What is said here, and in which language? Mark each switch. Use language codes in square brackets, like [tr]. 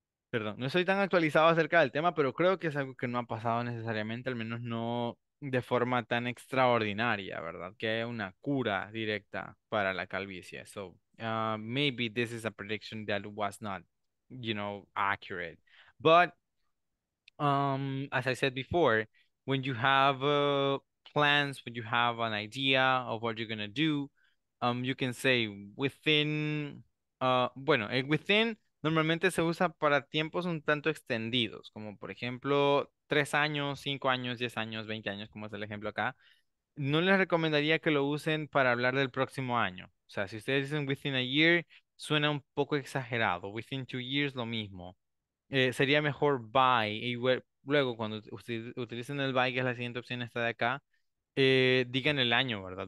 [es] Perdón, no soy tan actualizado acerca del tema, pero creo que es algo que no ha pasado necesariamente, al menos no de forma tan extraordinaria, ¿verdad? Que hay una cura directa para la calvicie. [en] So, maybe this is a prediction that was not, you know, accurate. But, as I said before, when you have plans, when you have an idea of what you're going to do, you can say within, within... [es] Normalmente se usa para tiempos un tanto extendidos, como por ejemplo 3 años, 5 años, 10 años, 20 años, como es el ejemplo acá. No les recomendaría que lo usen para hablar del próximo año. O sea, si ustedes dicen [en] within a year, [es] suena un poco exagerado. [en] Within 2 years, [es] lo mismo. Sería mejor by, y luego cuando utilicen el by, que es la siguiente opción esta de acá, digan el año, ¿verdad?